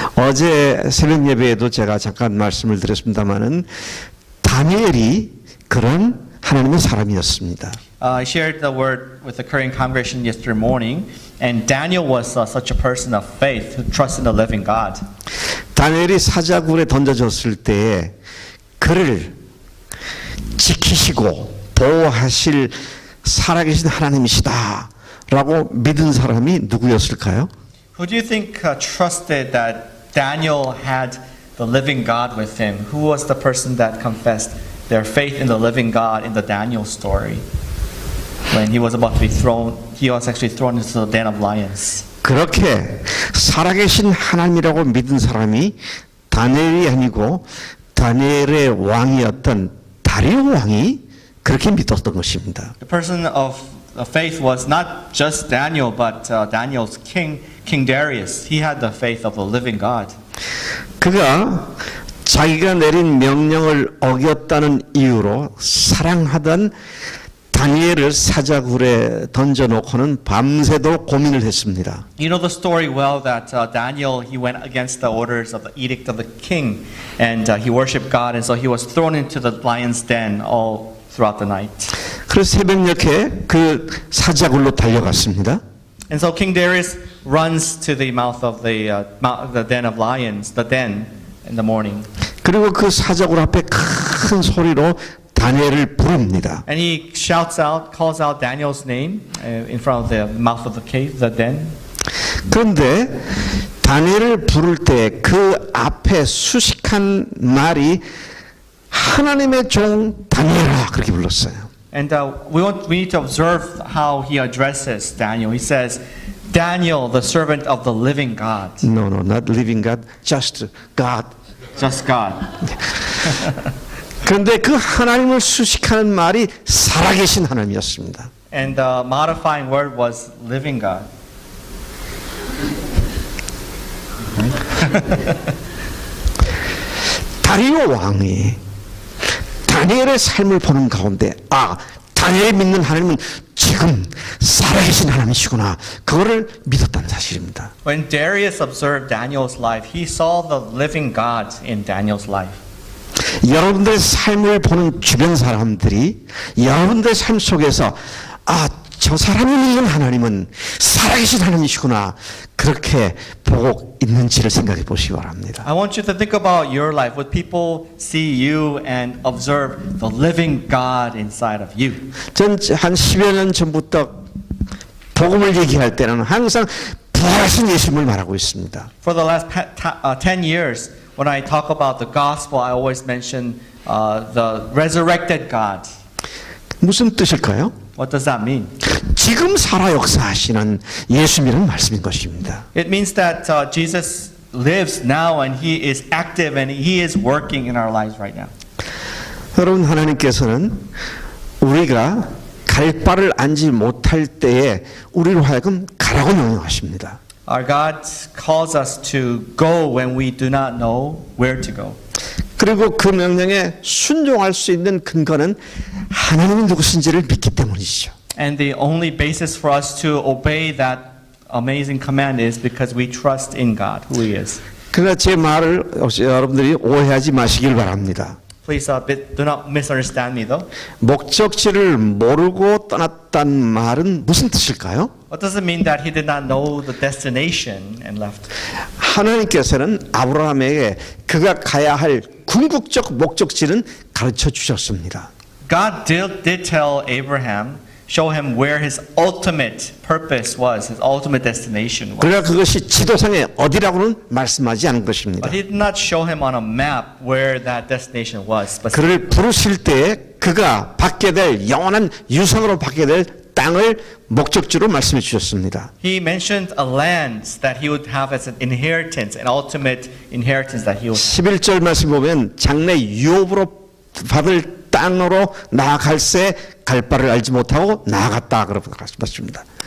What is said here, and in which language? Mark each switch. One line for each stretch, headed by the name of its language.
Korean: 어제 새벽 예배에도 제가 잠깐 말씀을 드렸습니다만은 다니엘이 그런 하나님의 사람이었습니다.
English: I shared the word with the Korean congregation yesterday morning, and Daniel was such a person of faith who trusted in the living God.
Korean: 다니엘이 사자굴에 던져졌을 때에 그를 지키시고 보호하실 살아계신 하나님이시다라고 믿은 사람이 누구였을까요?
English: Who do you think trusted that Daniel had the living God with him? Who was the person that confessed their faith in the living God in the Daniel story when he was about to be thrown? He was actually thrown into the den of lions.
Korean: 그렇게 살아계신 하나님이라고 믿은 사람이 다니엘이 아니고 다니엘의 왕이었던 다리오 왕이 그렇게 믿었던 것입니다.
English: The person of faith was not just Daniel, but Daniel's king, King Darius. He had the faith of the living God.
Korean: 그가 자기가 내린 명령을 어겼다는 이유로 사랑하던 다니엘을 사자굴에 던져놓고는 밤새도록 고민을 했습니다.
English: You know the story well that Daniel, he went against the orders of the edict of the king, and he worshipped God, and so he was thrown into the lion's den all throughout the night.
Korean: 그래서 새벽녘에 그 사자굴로 달려갔습니다.
English: And so King Darius runs to the mouth of the den of lions, the den in the morning.
Korean: 그리고 그 사자굴 앞에 큰 소리로 다니엘을 부릅니다.
English: And he shouts out, calls out Daniel's name in front of the mouth of the cave, the den.
Korean: 그런데 다니엘을 부를 때 그 앞에 수식한 말이 하나님의 종 다니엘아 그렇게 불렀어요.
English: And we need to observe how he addresses Daniel. He says, "Daniel, the servant of the living God." No, not living God, just God. Just God.
Korean: 그런데 그 하나님을 수식하는 말이 살아계신 하나님이었습니다.
English: And the modifying word was living God.
Korean: 다리오 왕이 다니엘의 삶을 보는 가운데 아, 다니엘이 믿는 하나님은 지금 살아계신 하나님이시구나 그거를 믿었다는 사실입니다.
English: When Darius observed Daniel's life, he saw the living God in Daniel's life.
Korean: 여러분들의 삶을 보는 주변 사람들이 여러분들의 삶 속에서 아, 저 사람이 믿는 하나님은 살아계신 하나님이시구나 그렇게 보고 있는지를 생각해 보시기 바랍니다.
English: I want you to think about your life. Would people see you and observe the living God inside of you?
Korean: 전 한 10여 년 전부터 복음을 얘기할 때는 항상 부활하신 예수님을 말하고 있습니다.
English: For the last 10 years, when I talk about the gospel, I always mention the resurrected God.
Korean: 무슨 뜻일까요?
English: What does that mean?
Korean: 지금 살아 역사하시는 예수님이라는 말씀인 것입니다.
English: It means that Jesus lives now and he is active and he is working in our lives right now.
Korean: 여러분 하나님께서는 우리가 갈 바를 안지 못할 때에 우리로 하여금 가라고 명령하십니다.
English: Our God calls us to go when we do not know where to go.
Korean: 그리고 그 명령에 순종할 수 있는 근거는 하나님이 누구신지를 믿기 때문이죠.
English: And the only basis for us to obey that amazing command is because we trust in God, who He is.
Korean: 그러나 제 말을 여러분들이 오해하지 마시길 바랍니다.
English: Please do not misunderstand me, though.
Korean: 목적지를 모르고 떠났단 말은 무슨 뜻일까요?
English: What does it mean that he did not know the destination and left?
Korean: 하나님께서는 아브라함에게 그가 가야 할 궁극적 목적지는 가르쳐 주셨습니다.
English: God did tell Abraham, show him where his ultimate purpose was, his ultimate destination was.
Korean: 그러나 그것이 지도상에 어디라고는 말씀하지 않은 것입니다.
English: But he did not show him on a map where that destination was.
Korean: 그를 부르실 때 그가 받게 될 영원한 유산으로 받게 될 땅을 목적지로 말씀해 주셨습니다.
English: He mentioned a land that he would have as an inheritance, an ultimate inheritance that he would.
Korean: 11절 말씀 보면 장래 유업으로 받을 땅으로 나아갈 새 갈 바를 알지 못하고 나아갔다 그러고 말씀하십니다.